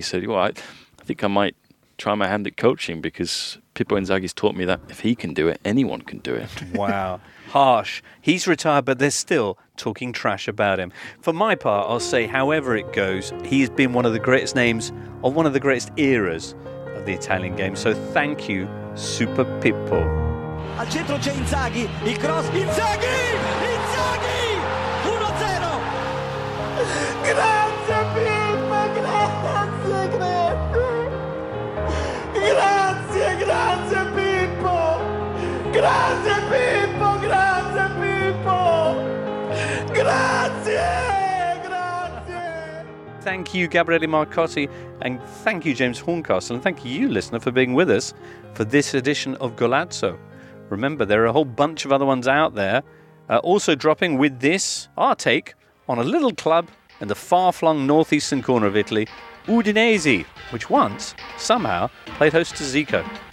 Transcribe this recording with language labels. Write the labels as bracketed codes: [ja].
[en] And he said, well, I think I might try my hand at coaching because Pippo Inzaghi's taught me that if he can do it, anyone can do it. Wow. Harsh. He's retired, but they're still talking trash about him. For my part, I'll say, however it goes, he's been one of the greatest names of one of the greatest eras of the Italian game. So thank you, Super Pippo. [it] Al centro c'è Inzaghi, il cross, Inzaghi! Inzaghi! 1-0! Grazie Pippo, grazie, grazie! Grazie, grazie Pippo! Grazie Pippo, grazie Pippo! Grazie! [en] Thank you, Gabriele Marcotti, and thank you, James Horncastle, and thank you, listener, for being with us for this edition of Golazzo. Remember, there are a whole bunch of other ones out there, also dropping with this, our take, on a little club in the far-flung northeastern corner of Italy, Udinese, which once, somehow, played host to Zico.